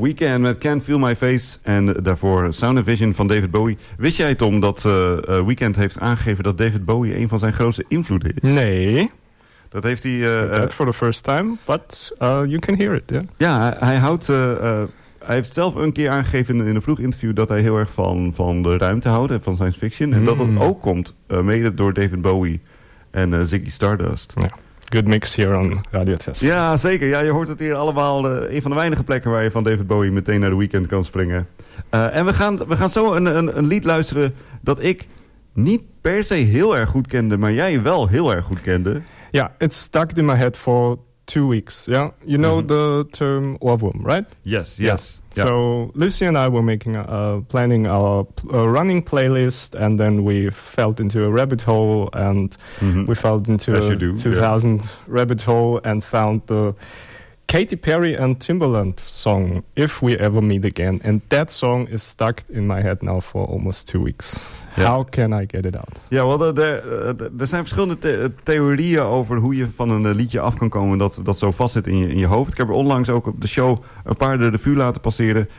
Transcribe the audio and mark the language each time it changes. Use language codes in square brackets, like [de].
[nl] Weekend met Can't Feel My Face en daarvoor Sound & Vision van David Bowie. Wist jij, Tom, dat Weekend heeft aangegeven dat David Bowie een van zijn grootste invloeden is? Nee. Dat heeft hij... [en] That for the first time, but you can hear it, yeah. [nl] Ja, hij houdt... Hij heeft zelf een keer aangegeven in een vroeg interview dat hij heel erg van de ruimte houdt en van science fiction. Mm. En dat ook komt mede door David Bowie en Ziggy Stardust. [en] Ja. Good mix hier on Radio Tessel. [nl] Ja, zeker. Ja, je hoort het hier allemaal. Een van de weinige plekken waar je van David Bowie meteen naar de Weekend kan springen. En we gaan zo een lied luisteren dat ik niet per se heel erg goed kende, maar jij wel heel erg goed kende. [en] Ja, yeah, it stuck in my head for 2 weeks. Yeah? You know the term Love Womb, right? Yes, yes. Yeah. Yeah. So Lucy and I were making planning our running playlist, and then we fell into a rabbit hole, and we fell into as a 2000 rabbit hole and found the Katy Perry and Timbaland song, If We Ever Meet Again. And that song is stuck in my head now for almost 2 weeks. Yeah. How can I get it out? [nl] Ja, wel, er zijn verschillende theorieën over hoe je van een liedje af kan komen dat zo vast zit in je hoofd. Ik heb er onlangs ook op de show een paar de revue laten passeren.